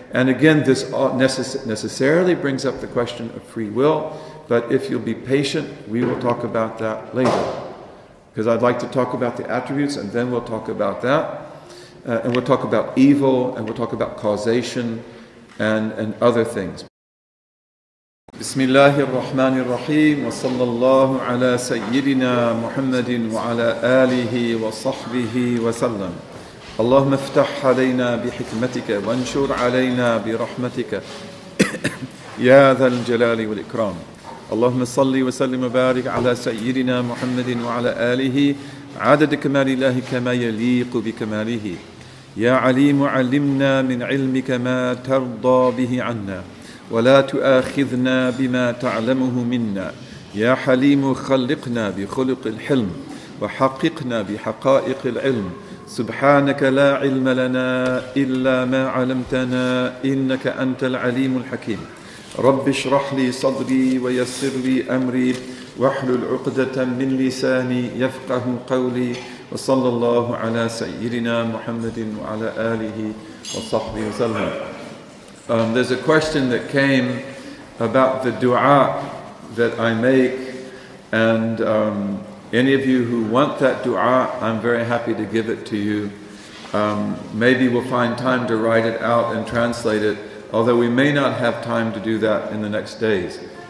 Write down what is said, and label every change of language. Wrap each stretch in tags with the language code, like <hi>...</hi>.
<en>And again, this necessarily brings up the question of free will, but if you'll be patient, we will talk about that later. Because I'd like to talk about the attributes, and then we'll talk about that. And we'll talk about evil, and we'll talk about causation, and other things.</en> <ar>بسم الله الرحمن الرحيم وصلى الله على سيدنا محمد وعلى آله وصحبه وسلم اللهم افتح علينا بحكمتك وانشر علينا برحمتك يا ذا الجلال والإكرام اللهم صل وسلم وبارك على سيدنا محمد وعلى آله عدد كمال الله كما يليق بكماله يا عليم علمنا من علمك ما ترضى به عنا ولا تؤاخذنا بما تعلمه منا يا حليم خلقنا بخلق الحلم وحققنا بحقائق العلم سبحانك لا علم لنا إلا ما علمتنا إنك أنت العليم الحكيم رب اشرح لي صدري ويسر لي أمري واحلل عقدة من لساني يفقه قولي وصلى الله على سيدنا محمد وعلى آله وصحبه وسلم.</ar> <en>There's a question that came about the dua that I make, and any of you who want that dua, I'm very happy to give it to you. Maybe we'll find time to write it out and translate it, although we may not have time to do that in the next days.</en>